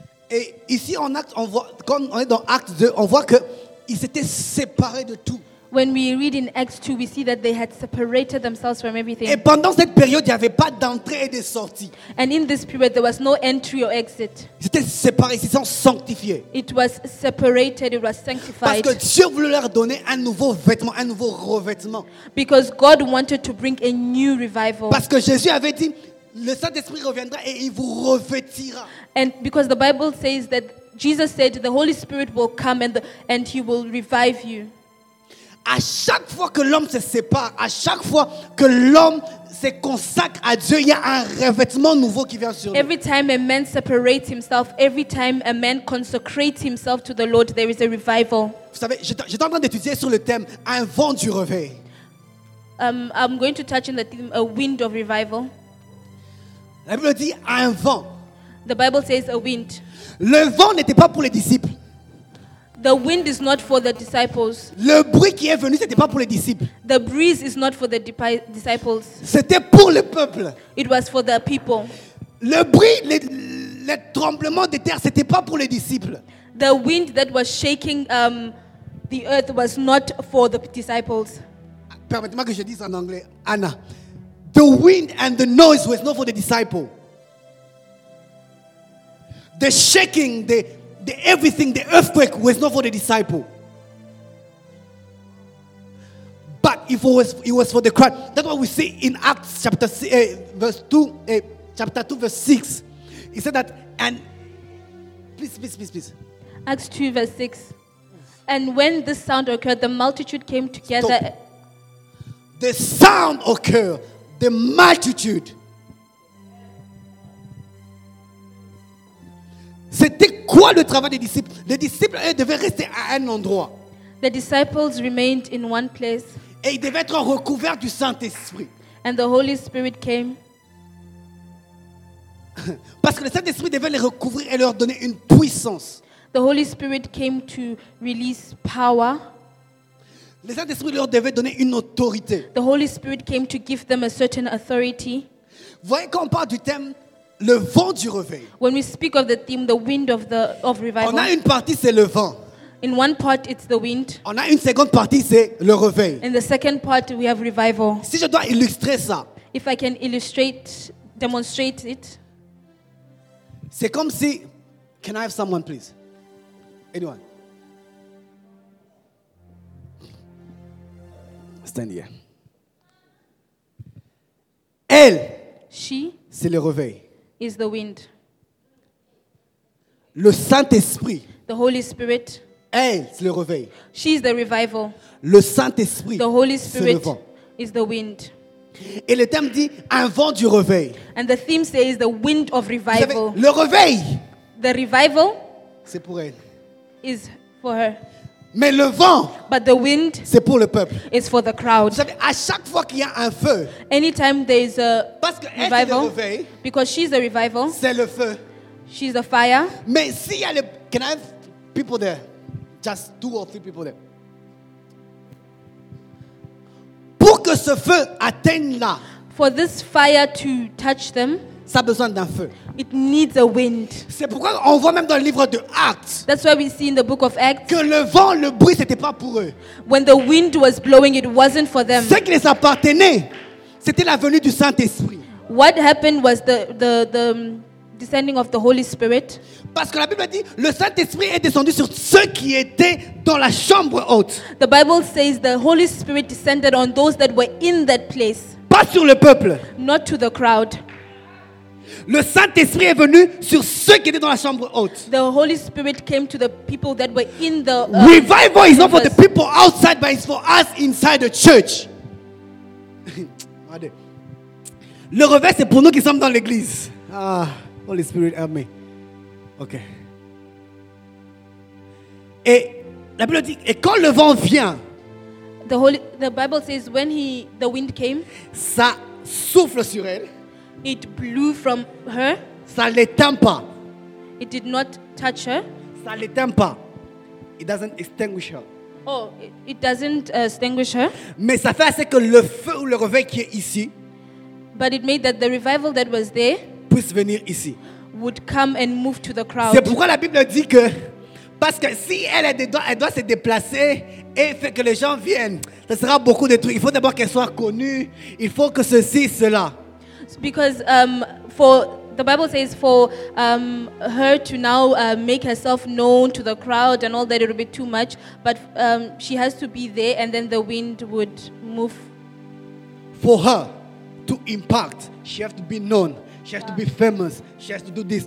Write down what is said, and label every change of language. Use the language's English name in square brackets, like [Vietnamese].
[French] Et ici en acte, on voit, quand on est dans acte 2, on voit qu'ils s'étaient séparés de tout. [English] When we read in Acts 2, we see that they had separated themselves from everything. [French] Et pendant cette période, il n'y avait pas d'entrée et de sortie. [English] And in this period, there was no entry or exit. [French] Ils étaient séparés, ils se sont sanctifiés. [English] It was separated, it was sanctified. [French] Parce que Dieu voulait leur donner un nouveau vêtement, un nouveau revêtement. [English] Because God wanted to bring a new revival. [French] Parce que Jésus avait dit, le Saint-Esprit reviendra et il vous revêtira. [English] And because the Bible says that Jesus said the Holy Spirit will come and he will revive you. [French] À chaque fois que l'homme se sépare, à chaque fois que l'homme se consacre à Dieu, il y a un revêtement nouveau qui vient sur lui. [English] Every time a man separates himself, every time a man consecrates himself to the Lord, there is a revival. [French] Vous savez, j'étais en train d'étudier sur le thème un vent du réveil. [English] I'm going to touch on the theme a wind of revival. [French] La Bible dit un vent. [English] The Bible says a wind. [French] Le vent n'était pas pour les disciples. [English] The wind is not for the disciples. [French] Le bruit qui est venu, c'était pas pour les disciples. [English] The breeze is not for the disciples. [French] C'était pour le peuple. [English] It was for the people. [French] Le bruit, le tremblement de terre, c'était pas pour les disciples. [English] The wind that was shaking the earth was not for the disciples. [French] Permettez-moi que je dise en anglais, Anna. [English] The wind and the noise was not for the disciple. The shaking, the everything, the earthquake was not for the disciple. But it was for the crowd. That's what we see in Acts chapter verse 2, verse 6. He said that, and please. Acts 2, verse 6. And when the sound occurred, the multitude came together. The sound occurred. The multitude. [French] C'était quoi le travail des disciples? Les disciples devaient rester à un endroit. [English] The disciples remained in one place. [French] Et ils devaient être recouverts du Saint-Esprit. [English] And the Holy Spirit came. [French] Parce que le Saint-Esprit devait les recouvrir et leur donner une puissance. [English] The Holy Spirit came to release power. [French] Le Saint-Esprit leur devait donner une autorité. [English] The Holy Spirit came to give them a certain authority. [French] Voyez quand on parle du thème le vent du réveil. [English] When we speak of the theme, the wind of the of revival. [French] On a une partie, c'est le vent. [English] In one part, it's the wind. [French] On a une seconde partie, c'est le réveil. [English] In the second part, we have revival. [French] Si je dois illustrer ça. [English] If I can illustrate, demonstrate it. [French] C'est comme si, [English] can I have someone, please? Anyone? Stand here. [French] Elle. [English] She. [French] C'est le réveil. [English] Is the wind. [French] Le Saint-Esprit. [English] The Holy Spirit. [French] Elle, c'est le réveil. [English] She is the revival. [French] Le Saint-Esprit. [English] The Holy Spirit. [French] C'est le vent. [English] Is the wind. [French] Et le thème dit un vent du réveil. [English] And the theme says the wind of revival. [French] Savez, le réveil. [English] The revival. [French] C'est pour elle. [English] Is for her. [French] Mais le vent. [English] But the wind. [French] C'est pour le peuple. [English] Is for the crowd. [French] Vous savez, à chaque fois qu'il y a un feu. [English] Anytime there is a [French] parce que [English] revival. [French] Elle, c'est le réveil, [English] because she's the revival. [French] C'est le feu. [English] She's the fire. [French] Mais s'il y a le, [English] can I have people there? Just two or three people there. [French] Pour que ce feu atteigne là. [English] For this fire to touch them. [French] Ça a besoin d'un feu. [English] It needs a wind. [French] C'est pourquoi on voit même dans le livre de Actes. [English] That's why we see in the book of Acts. [French] Que le vent, le bruit, c'était pas pour eux. [English] When the wind was blowing, it wasn't for them. [French] Ce qui les appartenait, c'était la venue du Saint-Esprit. [English] What happened was the descending of the Holy Spirit. [French] Parce que la Bible dit, le Saint-Esprit est descendu sur ceux qui étaient dans la chambre haute. [English] The Bible says the Holy Spirit descended on those that were in that place. [French] Pas sur le peuple. [English] Not to the crowd. [French] Le Saint-Esprit est venu sur ceux qui étaient dans la chambre haute. [English] The Holy Spirit came to the people that were in the revival is not for the people outside, but it's for us inside the church. [French] Le réveil c'est pour nous qui sommes dans l'église. [English] Ah, Holy Spirit, help me. Ok. [French] Et la Bible dit, et quand le vent vient, [English] the Bible says when the wind came, [French] ça souffle sur elle. [English] It blew from her. [French] Ça l'éteint pas. [English] It did not touch her. [French] Ça l'éteint pas. [English] It doesn't extinguish her. Oh, it doesn't extinguish her. [French] Mais ça fait assez que le feu ou le réveil qui est ici. [English] But it made that the revival that was there [French] puisse venir ici. [English] Would come and move to the crowd. [French] C'est pourquoi la Bible dit que parce que si elle est dedans, elle doit se déplacer et fait que les gens viennent. Ça sera beaucoup de trucs. Il faut d'abord qu'elle soit connue. Il faut que ceci, cela. [English] Because for the Bible says for her to now make herself known to the crowd and all that, it would be too much. But she has to be there, and then the wind would move. For her to impact, she has to be known. She has to be famous. She has to do this.